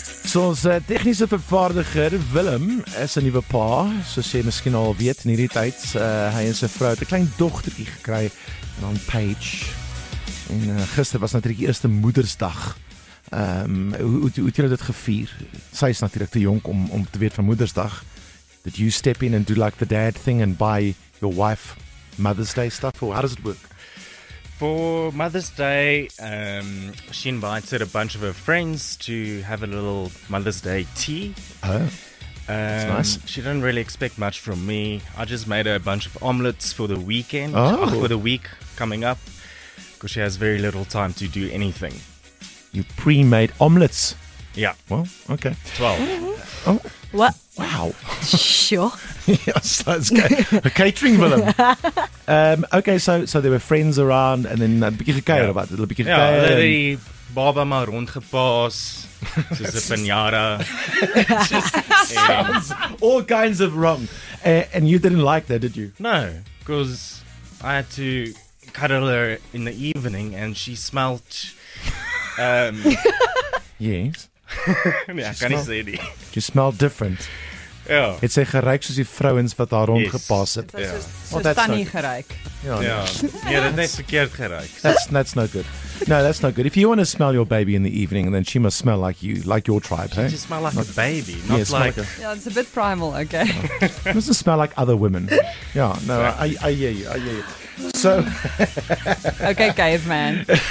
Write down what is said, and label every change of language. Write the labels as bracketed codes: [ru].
[af] So ons tegniese vervaardiger Willem is 'n nuwe pa, soos jy miskien al weet in hierdie tyd. Hy en sy vrou het 'n klein dogtertjie gekry, en dan Paige. En gister was natuurlijk die eerste moedersdag. Hoe het julle dit gevier? Sy is natuurlijk te jonk om te weet van moedersdag. [en] Did you step in and do like the dad thing and buy your wife Mother's Day stuff? Or how does it work? For Mother's Day, she invited a bunch of her friends to have a little Mother's Day tea. Oh, that's nice. She didn't really expect much from me. I just made her a bunch of omelets for the weekend, for the week coming up, because she has very little time to do anything. You pre-made omelets? Yeah. Well, okay. 12. Mm-hmm. Oh. What? Wow. Sure. Yes, that's a catering villain. Okay, so there were friends around, and then [af] they baba maar rondgepas, soos 'n pinjara. [en] All kinds of wrong. And you didn't like that, did you? No, because I had to cuddle her in the evening, and she smelt... yes. [af] Yeah, kan nie sê nie. [en] She smelled different. [af] Ja. Het sy geruik soos die vrouens wat haar rondgepas het. Soos tannie geruik. Ja, dit het net verkeerd geruik. [en] That's not good. No, that's not good. If you want to smell your baby in the evening, then she must smell like you, like your tribe. She just smell like a baby, not like... it's a bit primal, okay. It must smell like other women. Yeah, no, I hear you, So... Okay, caveman.